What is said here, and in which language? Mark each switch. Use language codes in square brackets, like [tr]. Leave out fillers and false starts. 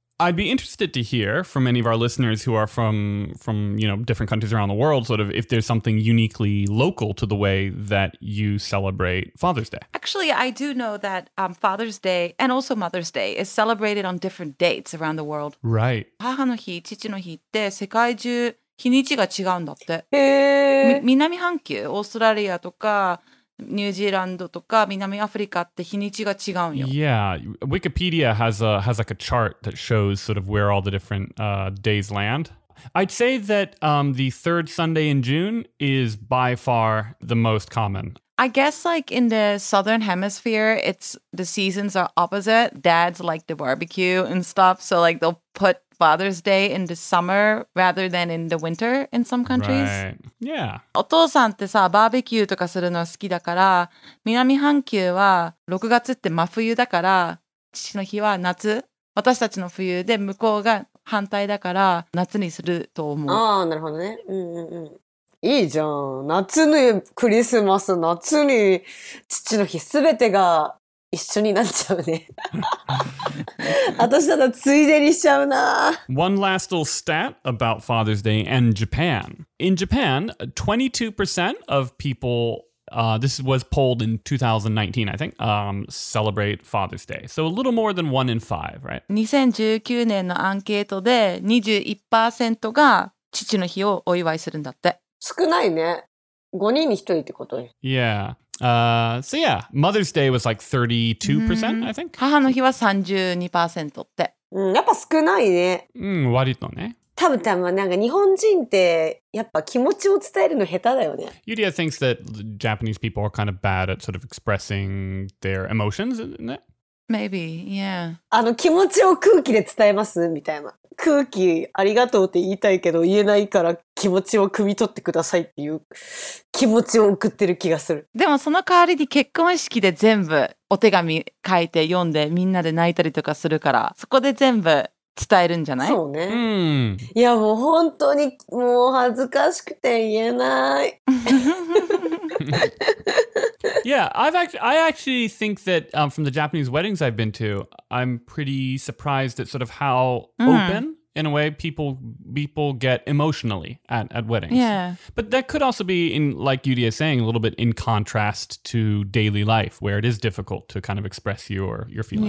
[en] I'd be interested to hear from any of our listeners who are from you know, different countries around the world, sort of if there's something uniquely local to the way that you celebrate Father's Day. Actually, I do know that Father's Day and also Mother's Day is celebrated on different dates around the world. Right. [ja] 母の日、父の日って世界中日にちが違うんだって。へー。南半球、オーストラリアとか、ニュージーランドとか南アフリカって日にちが違うんよ。 [en] Yeah, Wikipedia has like a chart that shows sort of where all the different days land. I'd say that the third Sunday in June is by far the most common. I guess like in the southern hemisphere, it's the seasons are opposite. Dads like the barbecue and stuff, so like they'll put Father's Day in the summer rather than in the winter in some countries. Right. Yeah. [ja] お父さんってさ、バーベキューとかするの好きだから、南半球は6月って真冬だから、父の日は夏、私たちの冬で向こうが反対だから夏にすると思う。ああ、なるほどね。うんうんうん。いいじゃん。夏にクリスマス、夏に父の日、すべてが一緒になっちゃうね。私ただついでにしちゃうな。 [en] One last little stat about Father's Day and Japan. In Japan, 22% of people, this was polled in 2019, I think, celebrate Father's Day. So a little more than one in five, right? [ja] 2019年のアンケートで 21% が父の日をお祝いするんだって。少ないね。5人に1人ってこと。 [en] Yeah. So yeah, Mother's Day was like 32%, I think. [ja] 母の日は 32% って。うん、やっぱ少ないね。うん、割とね。多分なんか日本人ってやっぱ気持ちを伝えるの下手だよね。 [en] Yudia thinks that Japanese people are kind of bad at sort of expressing their emotions, isn't it? Maybe, yeah. [ja] あの気持ちを空気で伝えますみたいな。空気ありがとうって言いたいけど言えないから気持ちを汲み取ってくださいっていう気持ちを送ってる気がする。でもその代わりに結婚式で全部お手紙書いて読んでみんなで泣いたりとかするからそこで全部伝えるんじゃない？そうね。うん。いやもう本当にもう恥ずかしくて言えない。 [en] Yeah, I actually think that from the Japanese weddings I've been to, I'm pretty surprised at sort of how open, in a way, people get emotionally at weddings. Yeah. But that could also be, in like Yudia is saying, a little bit in contrast to daily life, where it is difficult to kind of express your feelings.